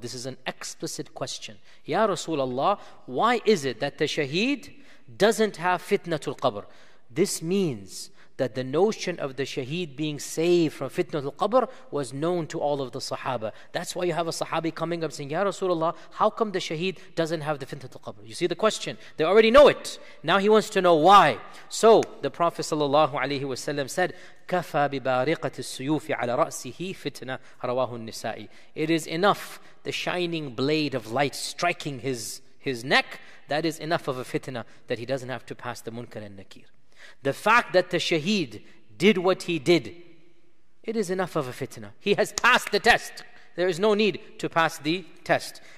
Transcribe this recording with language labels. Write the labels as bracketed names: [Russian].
[English] This is an explicit question. Ya Rasulullah, why is it that the shaheed doesn't have fitnatul qabr? This means that the notion of the shaheed being saved from fitnatul qabr was known to all of the sahaba. That's why you have a sahabi coming up saying, Ya Rasulullah, how come the shaheed doesn't have the fitnatul qabr? You see the question. They already know it. Now he wants to know why. So the Prophet sallallahu alaihi wasallam said, [Arabic] كَفَى بِبَارِقَةِ السُّيُوفِ عَلَى رَأْسِهِ فِتْنَةً رَوَاهُ النِّسَائِ. [English] It is enough, the shining blade of light striking his neck, that is enough of a fitna that he doesn't have to pass the munkar and nakir. The fact that the shaheed did what he did, it is enough of a fitna. He has passed the test. There is no need to pass the test.